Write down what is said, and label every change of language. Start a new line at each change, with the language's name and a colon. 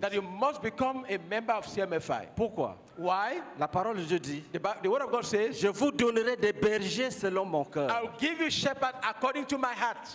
English: That you must become a member of CMFI.
French: Pourquoi?
English: Why?
French: La parole de Dieu dit.
English: The word of God says.
French: Je vous donnerai des bergers selon mon cœur.
English: I'll give you shepherds according to my heart.